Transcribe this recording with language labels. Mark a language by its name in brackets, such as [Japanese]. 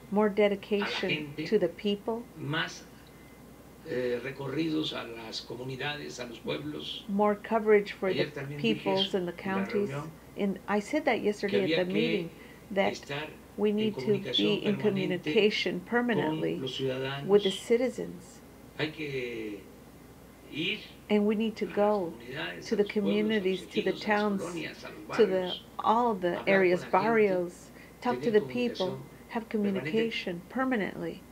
[English] more dedication [Spanish] a la gente, [English] to the people, [Spanish] más recorridos a las comunidades, a los pueblos, [English] more coverage for the peoples and the counties. And I said that yesterday at the meeting, that we need to be in communication permanently with the citizens. [Spanish] Hay que ir, [English] and we need to go to the communities, to the towns, to the all the areas, barrios, talk to the people, have communication permanently.